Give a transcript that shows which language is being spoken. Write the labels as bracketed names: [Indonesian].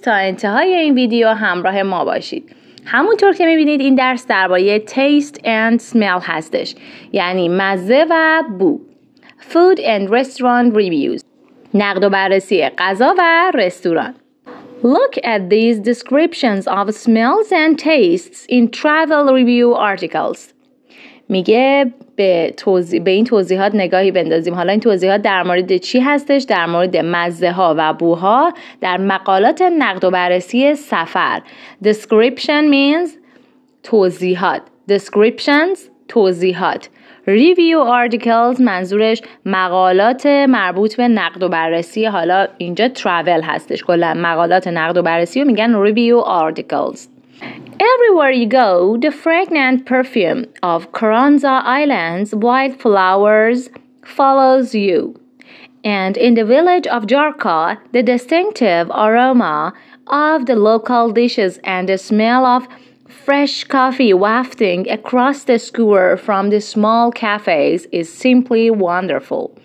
[Persian] تا انتهای این ویدیو همراه ما باشید. همونطور که میبینید این درس درباره [English] taste and smell [Persian] هستش. یعنی مزه و بو. [English] Food and restaurant reviews. [Persian] نقد و بررسی غذا و رستوران. [English] Look at these descriptions of smells and tastes in travel review articles. [Persian] میگه به این توضیحات نگاهی بندازیم. حالا این توضیحات در مورد چی هستش؟ در مورد مزه ها و بوها در مقالات نقد و بررسی سفر. [English] Description means توضیحات. Descriptions توضیحات. Review articles [Persian] منظورش مقالات مربوط به نقد و بررسی. حالا اینجا travel هستش. کلا مقالات نقد و بررسی رو میگن [English] review articles. Everywhere you go, the fragrant perfume of Carranza Island's wildflowers follows you. And in the village of Jarca, the distinctive aroma of the local dishes and the smell of fresh coffee wafting across the square from the small cafes is simply wonderful.